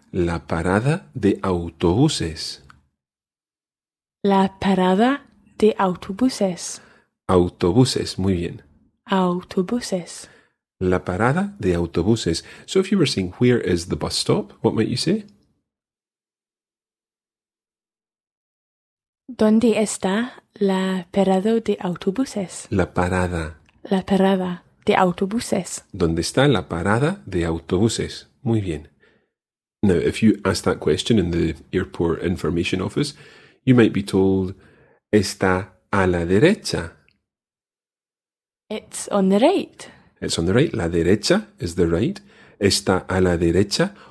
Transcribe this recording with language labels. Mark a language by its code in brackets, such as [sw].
[es] La parada de autobuses. La parada de autobuses. Autobuses, muy bien. Autobuses. La parada de autobuses. [en] So if you were saying, where is the bus stop, what might you say? [es] ¿Dónde está la parada de autobuses? La parada. La parada. De autobuses. ¿Dónde está la parada de autobuses? Muy bien. [en] Now, if you ask that question in the airport information office, you might be told, [es] está a la derecha. [en] It's on the right. It's on the right. La derecha is the right. [es] Está a la derecha.